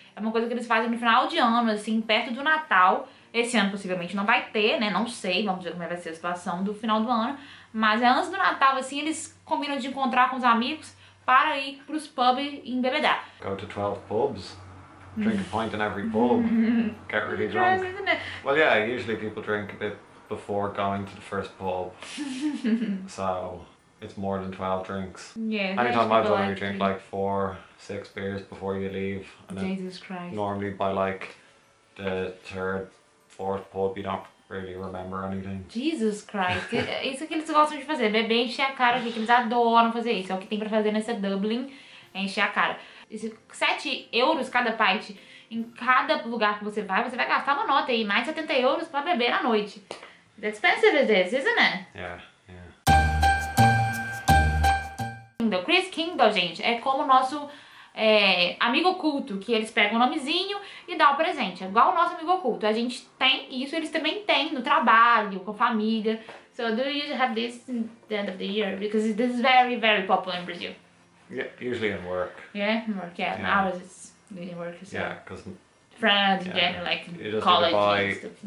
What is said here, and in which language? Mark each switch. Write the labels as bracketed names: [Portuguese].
[Portuguese] É uma coisa que eles fazem no final de ano, assim, perto do Natal. Esse ano possivelmente não vai ter, né? Não sei, vamos ver como vai ser a situação do final do ano. Mas é antes do Natal, assim, eles combinam de encontrar com os amigos para ir pros pubs embebedar. [English] Go to 12 pubs, drink a pint in every pub, get really drunk. Well, yeah, usually people drink a bit before going to the first pub. So, it's more than 12 drinks. Yeah. Anytime I've done, you drink like 4-6 beers before you leave. And Jesus Christ. Normally by like the 3rd, 4th pub, you don't really remember anything. Jesus Christ. [Portuguese] Isso que eles gostam de fazer, beber e encher a cara, que eles adoram fazer isso. É o que tem pra fazer nessa Dublin, é encher a cara. 7 euros cada pint em cada lugar que você vai gastar uma nota aí, mais 70 euros pra beber à noite. [English] That's expensive it is, isn't it? Yeah. [Portuguese] Chris Kindle, gente, é como o nosso amigo oculto, que eles pegam o nomezinho e dão o presente. É igual o nosso amigo oculto. A gente tem isso, eles também têm no trabalho, com a família. [English] So do you have this at the end of the year? Because this is very, very popular in Brazil. Yeah, usually in work. Yeah, in work, yeah. Yeah. Now it's New York as well. Yeah, because friends, yeah, again, like college and stuff. You just